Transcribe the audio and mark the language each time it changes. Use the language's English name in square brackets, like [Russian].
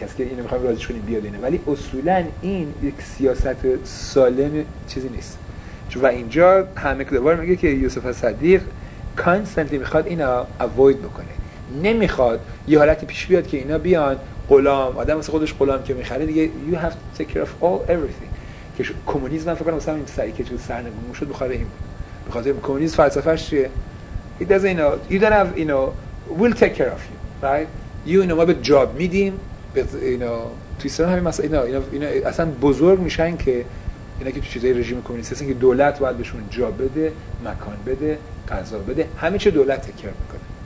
[Persian] کسی که اینو میخوایم راضیش کنیم بیاد اینه. ولی اصولا این یک سیاست سالم چیزی نیست. چون و اینجا همه کدوار میگه که یوسف صدیق constantly میخواد اینا avoid بکنه، نمیخواد یه حالتی پیش بیاد که اینا بیان غلام، آدم واسه خودش غلام که میخره دیگه. [English] You have to take care of all everything. [Persian] که کمونیسم من فکر کنم مثلا این سعی که سرنگون شد بخاطر این بود، بخاطر کمونیسم فلسفه‌اش چیه؟ It doesn't you know you don't have you know we'll take care of you right you know ما به جاب میدیم به you know توی سران همین مثلا اینا اصلا بزرگ میشن که اینا که تو چیزای رژیم کمونیستی هستن که دولت باید بهشون جاب بده، مکان بده، غذا بده، همه چی دولت تکر میکنه.